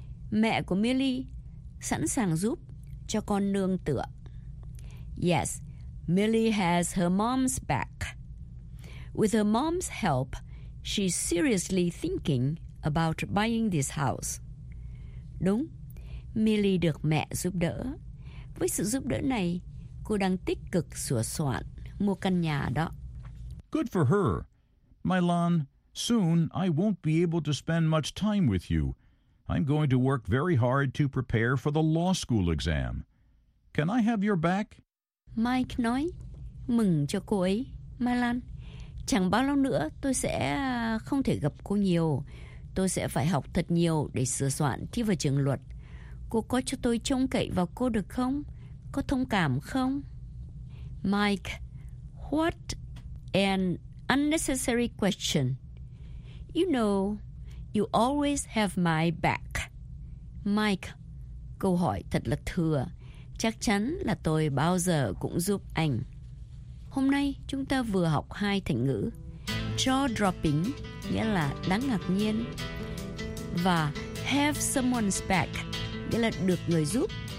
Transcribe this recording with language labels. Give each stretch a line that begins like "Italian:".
Vietnamese: Mẹ của Millie sẵn sàng giúp cho con nương tựa.
English: Yes, Millie has her mom's back. With her mom's help, she's seriously thinking about buying this house.
Vietnamese: Đúng, Millie được mẹ giúp đỡ. Với sự giúp đỡ này, cô đang tích cực sửa soạn mua căn nhà đó.
English: Good for her. Milan, Soon, I won't be able to spend much time with you. I'm going to work very hard to prepare for the law school exam. Can I have your back?
Vietnamese: Mike nói, mừng cho cô ấy, Mai Lan. Chẳng bao lâu nữa tôi sẽ không thể gặp cô nhiều. Tôi sẽ phải học thật nhiều để sửa soạn thi vào trường luật. Cô có cho tôi trông cậy vào cô được không? Có thông cảm không?
English: Mike, what an unnecessary question. You know, you always have my back.
Vietnamese: Mike, câu hỏi thật là thừa. Chắc chắn là tôi bao giờ cũng giúp anh. Hôm nay chúng ta vừa học hai thành ngữ. Jaw dropping nghĩa là đáng ngạc nhiên. Và have someone's back nghĩa là được người giúp.